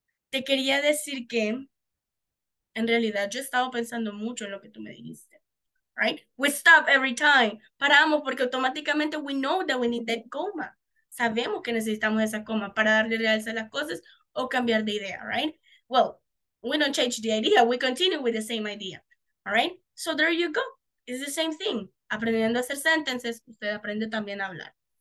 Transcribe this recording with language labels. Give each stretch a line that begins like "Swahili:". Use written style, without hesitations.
Spanish: Te quería decir que, en realidad, yo he estado pensando mucho en lo que tú me dijiste,
English: right? We stop every time.
Spanish: Paramos porque automáticamente
English: we know that we need that coma.
Spanish: Sabemos que necesitamos esa coma para darle realce a las cosas o cambiar de idea,
English: right? Well, we don't change the idea. We continue with the same idea, all right? So there you go. It's the same thing.
Spanish: Aprendiendo a hacer sentences, usted aprende también a hablar.